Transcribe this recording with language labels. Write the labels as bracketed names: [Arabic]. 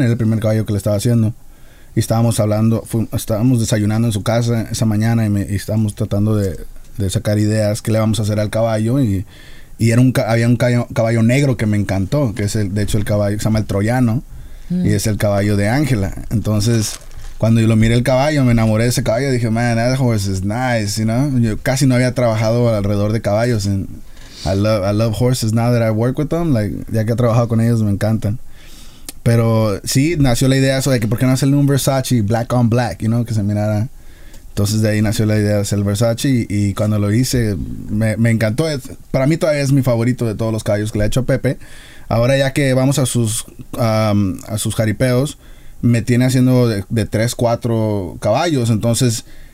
[Spanish] Era el primer caballo que le estaba haciendo. Y estábamos hablando, estábamos desayunando en su casa esa mañana y estábamos tratando de sacar ideas que le vamos a hacer al caballo. Y había un caballo negro que me encantó, que es el caballo que se llama el Troyano. Y es el caballo de Ángela. Entonces, cuando yo lo miré el caballo, me enamoré de ese caballo. Dije, [English] man, that horse is nice, you know. [Spanish] Yo casi no había trabajado alrededor de caballos en... [English] I love horses now that I work with them. Like, [Spanish] ya que he trabajado con ellos, me encantan. Pero sí, nació la idea eso de que por qué no hacerle un Versace [English] black on black, you know, [Spanish] que se mirara. Entonces de ahí nació la idea de hacer el Versace. Y cuando lo hice, me encantó. Para mí todavía es mi favorito de todos los caballos que le ha hecho a Pepe. Ahora ya que vamos a sus jaripeos, me tiene haciendo de 3-4 caballos. Entonces...